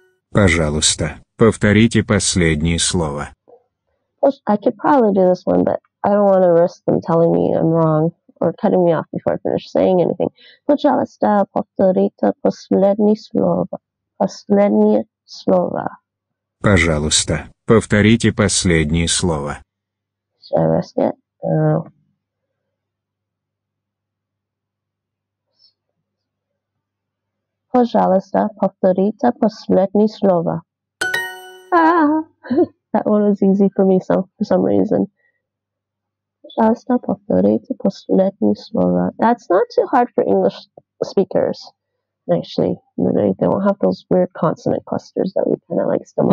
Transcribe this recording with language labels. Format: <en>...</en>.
<ru>Пожалуйста, повторите последнее слово.</ru> <en>I could probably do this one, but I don't want to risk them telling me I'm wrong or cutting me off before I finish saying anything.</en> <ru>Пожалуйста, повторите последнее слово. Последнее слово. Пожалуйста, повторите последнее слово.</ru> <en>Should I risk it? No.</en> <ru>Пожалуйста, повторите последнее слово.</ru> <en>That one was easy for me for some reason.</en> <ru>Пожалуйста, повторите последнее слово.</ru> <en>That's not too hard for English speakers, actually. They won't have those weird consonant clusters that we kind of like stumble</en>